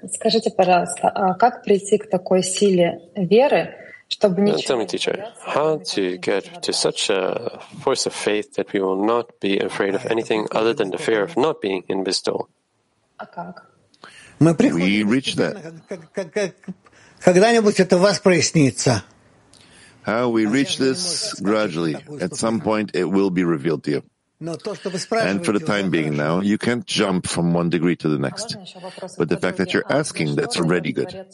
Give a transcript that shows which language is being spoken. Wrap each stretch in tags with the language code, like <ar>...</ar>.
<ru>Скажите, пожалуйста, а как прийти к такой силе веры, чтобы не...</ru> <en>Tell me, teacher, how to get to such a force of faith that we will not be afraid of anything other than the fear of not being in bestowal?</en> <ru>А как?</ru> <en>We reach that.</en> <ru>Когда-нибудь это у вас прояснится.</ru> <en>How we reach this, gradually, at some point it will be revealed to you. And for the time being now, you can't jump from one degree to the next. But the fact that you're asking, that's already good.</en>